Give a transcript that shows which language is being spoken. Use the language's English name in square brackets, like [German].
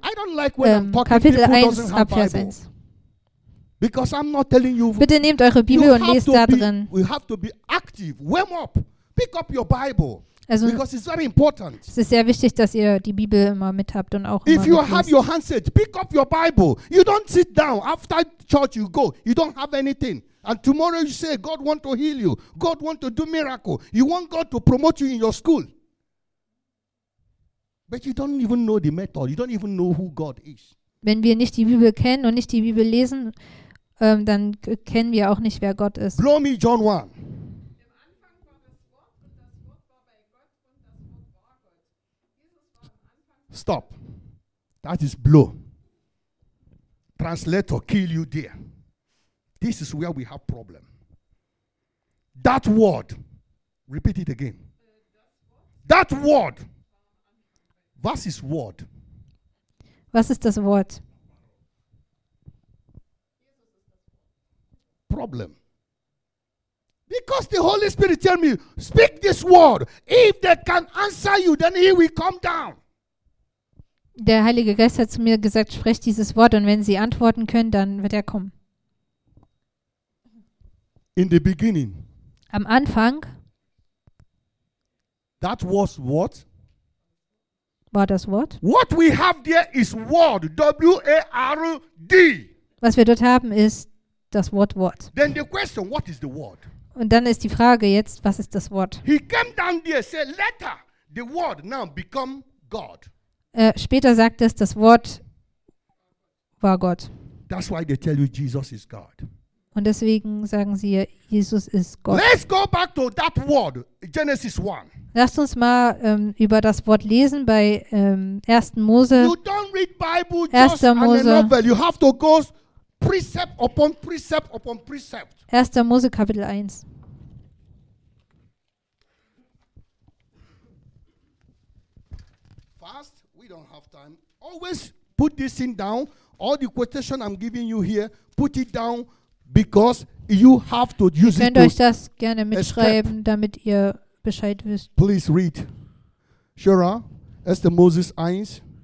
[English] I don't like when I'm talking to people who doesn't have Bible. Because I'm not telling you. [German] Bitte nehmt eure Bibel und lest da drin. [English] We have to be active. Warm up. Pick up your Bible. [German] Also, [English] because it's very important. [German] Es ist sehr wichtig, dass ihr die Bibel immer mit habt und auch [English] if you have your handset, pick up your Bible. You don't sit down. After church you go. You don't have anything. And tomorrow you say, God want to heal you. God want to do miracle. You want God to promote you in your school. But you don't even know the method. You don't even know who God is. [German] Wenn wir nicht die Bibel kennen und nicht die Bibel lesen, dann kennen wir auch nicht, wer Gott ist. [English] Blow me John 1. [German] Im Anfang war das Wort, und das Wort war bei Gott, und das Wort war Gott. [English] Stop. That is blow. Translator, kill you there. This is where we have problem. That word. Repeat it again. That word. [German] Was ist Wort? Was ist das Wort? [English] Problem. Because the Holy Spirit tell me, speak this word. If they can answer you, then he will come down. [German] Der Heilige Geist hat zu mir gesagt, sprecht dieses Wort und wenn sie antworten können, dann wird er kommen. [English] In the beginning. [German] Am Anfang. [English] That was what? [German] War das Wort? [English] What we have there is word, W-A-R-D. [German] Was wir dort haben, ist das Wort Wort. [English] Then the question, what is the word? [German] Und dann ist die Frage jetzt, was ist das Wort? [English] He came down there, said, let her, the word now become God. [German] Später sagt es, das Wort war Gott. [English] That's why they tell you Jesus is God. [German] Und deswegen sagen sie, Jesus ist Gott. [English] Let's go back to that word, Genesis 1. [German] Lasst uns mal über das Wort lesen bei 1. Mose. [English] You don't read Bible just as a novel. You have to go precept upon precept upon precept. [German] 1. Mose Kapitel 1. [English] Fast, we don't have time. Always put this thing down. All the quotation I'm giving you here, put it down. Because you have to use [German] it. Könnt euch das gerne mitschreiben, damit ihr Bescheid wisst. [English] Please read. Shura, Esther Moses 1.